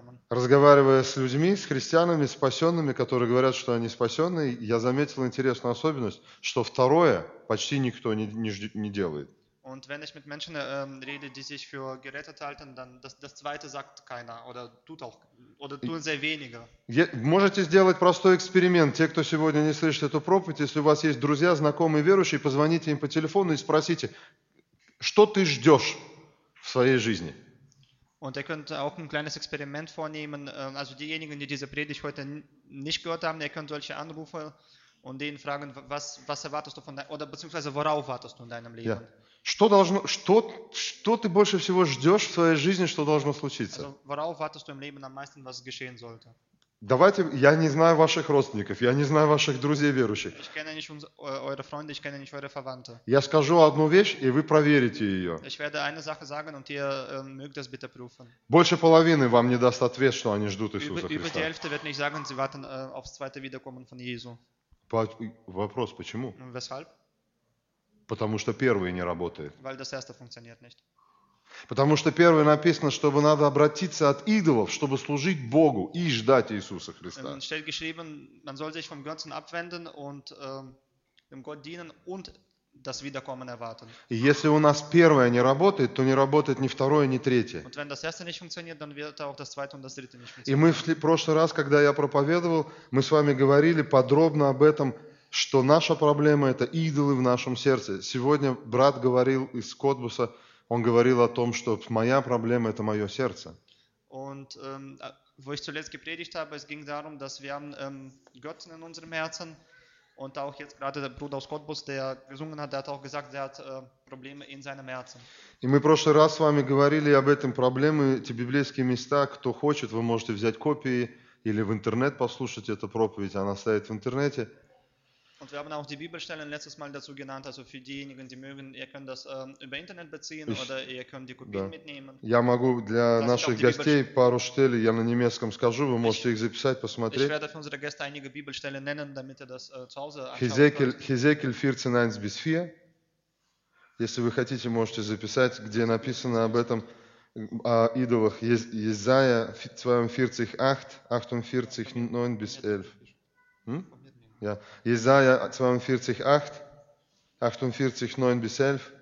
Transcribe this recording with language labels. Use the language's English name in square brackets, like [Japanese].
[Russian] Разговаривая с людьми, с христианами, спасенными, которые говорят, что они спасенные, я заметил интересную особенность, что второе почти никто не делает. [German] Und wenn ich mit Menschen rede, die sich für gerettet halten, dann das zweite sagt keiner oder tut auch oder tun sehr wenige. [Russian] Можете сделать простой эксперимент. Те, кто сегодня не слышит эту проповедь, если у вас есть друзья, знакомые, верующие, позвоните им по телефону и спросите, что ты ждешь в своей жизни. [German] Und ihr könnt auch ein kleines Experiment vornehmen. Also diejenigen, die diese Predigt heute nicht gehört haben, ihr könnt solche Anrufe und denen fragen, was erwartest du von deinem oder beziehungsweise worauf wartest du in deinem Leben? [English] Yeah. [Russian] Что ты больше всего ждешь в своей жизни, что должно случиться? [German] Also, worauf wartest du im Leben am meisten, was geschehen sollte? [Russian] Давайте, я не знаю ваших родственников, я не знаю ваших друзей верующих. [German] Ich kenne nicht eure Freunde, ich kenne nicht eure Verwandte. [Russian] Я скажу одну вещь, и вы проверите ее. [German] Ich werde eine Sache sagen, und ihr mögt das bitte prüfen. [Russian] Больше половины вам не даст ответ, что они ждут Иисуса Христа. [German] Über die Hälfte wird nicht sagen, sie warten aufs zweite Wiederkommen von Jesu. [Russian] Вопрос, почему? [German] Weshalb? [Russian] Потому что первый не работает. [German] Weil das erste funktioniert nicht. [Russian] Потому что первый написано, чтобы надо обратиться от идолов, чтобы служить Богу и ждать Иисуса Христа. [German] Steht geschrieben, man soll sich vom Götzen abwenden und dem Gott dienen und das Wiederkommen erwarten. [Russian] И если у нас первое не работает, то не работает ни второе, ни третье. [German] Und wenn das erste nicht funktioniert, dann wird auch das zweite und das dritte nicht funktionieren. [Russian] И мы в прошлый раз, когда я проповедовал, мы с вами говорили подробно об этом, что наша проблема – это идолы в нашем сердце. Сегодня брат говорил из Котбуса, он говорил о том, что моя проблема – это мое сердце. [German] Und, wo ich zuletzt gepredigt habe, es ging darum, dass wir haben Götzen in unserem Herzen. Und auch jetzt gerade der Bruder aus Котбус, der gesungen hat, der hat auch gesagt, der hat Probleme in seinem Herzen. [Russian] И мы в прошлый раз с вами говорили об этом проблеме, эти библейские места, кто хочет, вы можете взять копии или в интернет послушать эту проповедь, она стоит в интернете. [German] Und wir haben auch die Bibelstellen letztes Mal dazu genannt, also für diejenigen, die mögen, ihr könnt das über Internet beziehen oder ihr könnt die Kopien mitnehmen. [Russian] Я могу для наших гостей пару Stellen, я на немецком скажу, вы можете их записать, посмотреть. [German] Ich werde für unsere Gäste einige Bibelstellen nennen, damit ihr das zu Hause anschauen könnt. Hesekiel 14:1-4. [Russian] Если вы хотите, можете записать, где написано об этом, о идолах. [German] Jesaja 42:8-9-11. Ja, Jesaja 42:8-11.